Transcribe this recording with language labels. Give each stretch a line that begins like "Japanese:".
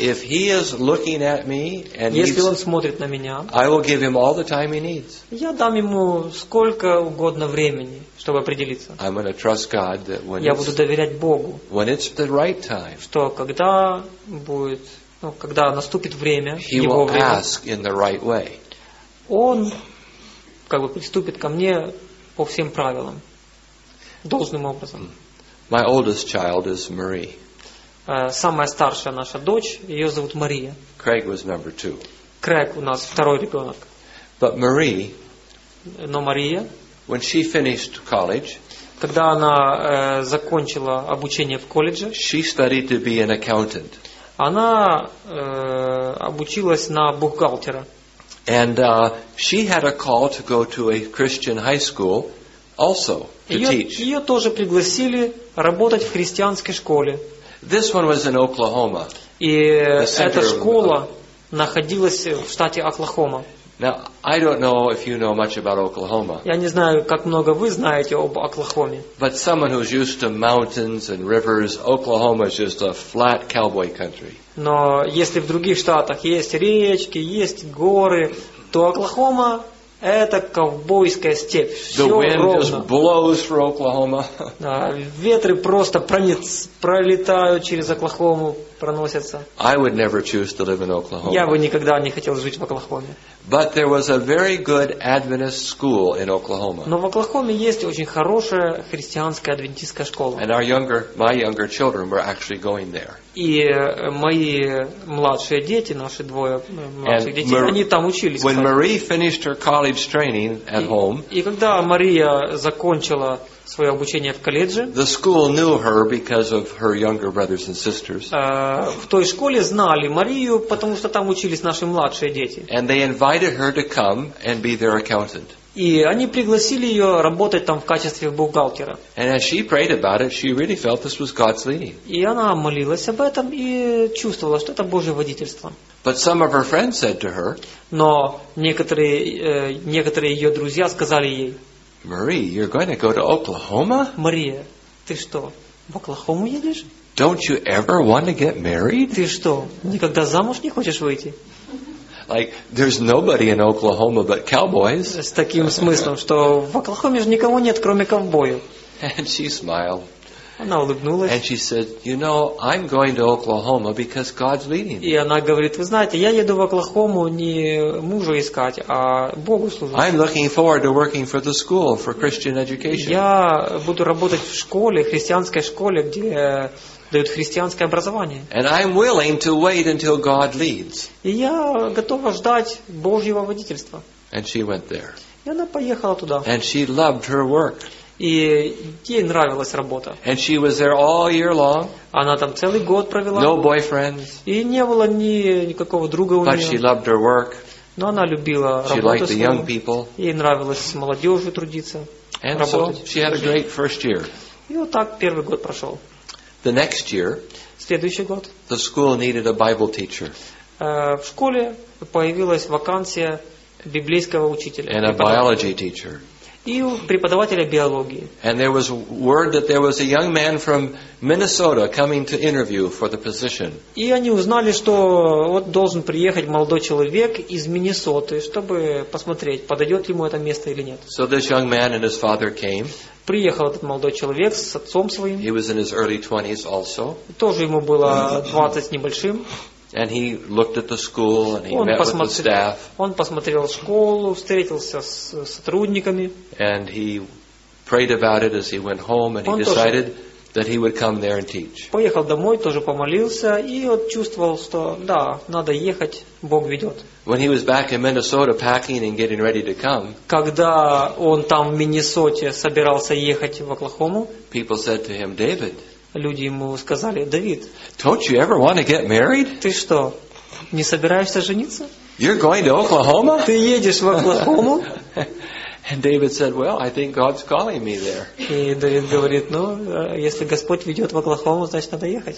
English: If he is looking at me and
Russian: если он смотрит на меня,
English: I will give him all the time he needs.
Russian: Я дам ему сколько угодно времени, чтобы определиться.
English: I'm gonna trust God that when
Russian: я буду доверять Богу,
English: when it's the right time,
Russian: что когда будет, ну, когда наступит время,
English: he
Russian: его
English: will
Russian: время,
English: ask in the right way.
Russian: Он как бы приступит ко мне по всем правилам, должным образом.
English: My oldest child is Marie.
Russian: Самая старшая наша дочь, ее зовут Мария.
English: Craig was number two.
Russian: Craig у нас второй ребенок.
English: But Marie,
Russian: но Мария,
English: when she finished college,
Russian: когда она закончила обучение в колледже,
English: she studied to be an accountant.
Russian: Она обучилась на бухгалтера.
English: And she had a call to go to a Christian high school also to teach.
Russian: Ее тоже пригласили работать в христианской школе.
English: This one was in Oklahoma.
Russian: И эта школа находилась в штате Оклахома.
English: Now, I don't know if you know much about Oklahoma.
Russian: Я не знаю, как много вы знаете об Оклахоме.
English: But someone who's used to mountains and rivers, Oklahoma is just a flat cowboy country.
Russian: Но если в других штатах есть речки, есть горы, то Оклахома это ковбойская степь. Всё
English: the wind
Russian: ровно.
English: Just blows through Oklahoma.
Russian: Да, ветры просто пролетают через Оклахому, проносятся.
English: I would never choose to live in Oklahoma.
Russian: Я бы никогда не хотел жить в Оклахоме.
English: But there was a very good Adventist school in Oklahoma.
Russian: Но в Оклахоме есть очень хорошая христианская адвентистская школа.
English: And my younger children were actually going there.
Russian: И мои младшие дети, наши двое младших детей, они там учились.
English: When Marie finished her college training at home.
Russian: И когда Мария закончила свое обучение в колледже.
English: The school knew her because of her younger brothers and sisters.
Russian: В той школе знали Марию, потому что там учились наши младшие дети.
English: And they invited her to come and be their accountant.
Russian: И они пригласили ее работать там в качестве бухгалтера.
English: And as she prayed about it, she really felt this was God's leading.
Russian: И она молилась об этом и чувствовала, что это Божье водительство.
English: But some of her friends said to her.
Russian: Но некоторые ее друзья сказали ей.
English: Marie, you're going to go to Oklahoma?
Russian: Мария, ты что, в Оклахому едешь?
English: Don't you ever want to get married?
Russian: Ты что, никогда замуж не хочешь выйти?
English: Like, there's nobody in Oklahoma but cowboys.
Russian: С таким смыслом, что в Оклахоме же никого нет, кроме ковбоев.
English: And she smiled.
Russian: Она улыбнулась.
English: And she said, you know, I'm going to Oklahoma because God's leading me.
Russian: И она говорит, вы знаете, я еду в Оклахому не мужа искать, а Богу служить.
English: I'm looking forward to working for the school for Christian education.
Russian: Я буду работать в школе, христианской школе, где дают христианское образование.
English: And I'm willing to wait until God leads.
Russian: И я готова ждать Божьего водительства.
English: And she went there.
Russian: И она поехала туда.
English: And she loved her work.
Russian: И ей нравилась работа.
English: And she was there all year long.
Russian: Она там целый год провела.
English: No boyfriends.
Russian: И не было никакого друга у
English: But
Russian: нее.
English: But she loved her work.
Russian: Но она любила
English: she
Russian: работу.
English: She liked the young people.
Russian: Ей нравилось с молодежью трудиться,
English: And
Russian: работать.
English: So she had a great first year.
Russian: И вот так первый год прошел.
English: The next year.
Russian: Следующий год.
English: The school needed a Bible teacher.
Russian: В школе появилась вакансия библейского учителя.
English: And a biology teacher.
Russian: И у преподавателя биологии.
English: And there was word that there was a young man from Minnesota coming to interview for the position.
Russian: И они узнали, что вот должен приехать молодой человек из Миннесоты, чтобы посмотреть, подойдет ему это место или нет.
English: So this young man and his father came.
Russian: Приехал этот молодой человек с отцом своим.
English: He was in his early 20s also.
Russian: Тоже ему было 20 с небольшим.
English: And he looked at the school and he met with the staff.
Russian: Он посмотрел школу, встретился с сотрудниками.
English: And he prayed about it as he went home and he decided that he would come there and teach.
Russian: Поехал домой, тоже помолился и вот чувствовал, что да, надо ехать, Бог ведет.
English: When he was back in Minnesota packing and getting ready to come,
Russian: когда он там в Миннесоте собирался ехать в Оклахому,
English: people said to him, David,
Russian: люди ему сказали, Давид,
English: Don't you ever want to get married?
Russian: Ты что, не собираешься жениться?
English: You're going to Oklahoma?
Russian: Ты едешь в Оклахому?
English: And David said, Well, I think God's calling me there.
Russian: И Давид говорит, ну, если Господь ведет в Оклахому, значит, надо ехать.